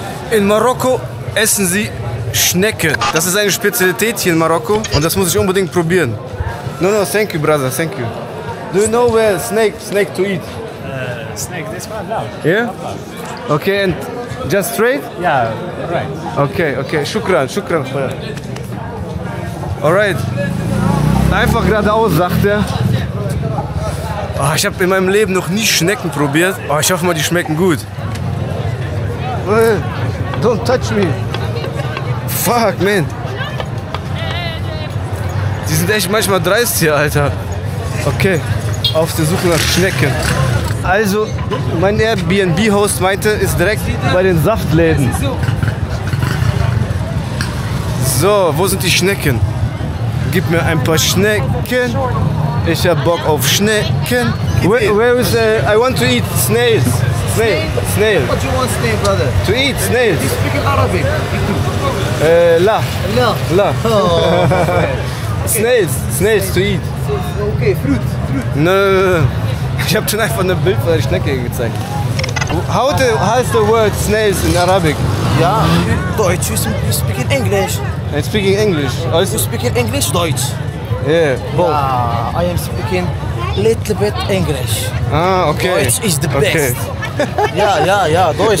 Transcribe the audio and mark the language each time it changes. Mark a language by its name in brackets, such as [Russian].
[German] In Marokko essen sie Schnecke. Das ist eine Spezialität hier in Marokko und das muss ich unbedingt probieren. [English] No, no, thank you, brother, thank you. Do you know where snake to eat? Snake, this one, love. Yeah? Okay, and just straight? Yeah, right. Okay, okay, [Arabic] shukran, shukran. [English] Alright. [German] Einfach geradeaus, sagt er. Oh, ich habe in meinem Leben noch nie Schnecken probiert. Oh, ich hoffe mal, die schmecken gut. [English] Don't touch me. Fuck, man. [German] Die sind echt manchmal dreist hier, Alter. Okay, auf der Suche nach Schnecken. Also, mein Airbnb-Host meinte, ist direkt bei den Saftläden. So, wo sind die Schnecken? Gib mir ein paar Schnecken. Ich hab Bock auf Schnecken. [English] Where is I want to eat snails. Snail? Snail. What do you want, snail, brother? To eat snails. You speak in Arabic. [Arabic] La. La. La. Oh, [English] okay. Snails to eat. Okay, fruit. No. [German] Ich hab schon einfach ein Bild von der Schnecke gezeigt. [English] How is the word snails in Arabic? [German] Ja. [English] Deutsch, you speak in English. I'm speaking English. Also, you speak in English, Deutsch. Yeah, both. Yeah, I am speaking little bit English. Ah, okay. Deutsch is the best. Okay. Yeah. Deutsch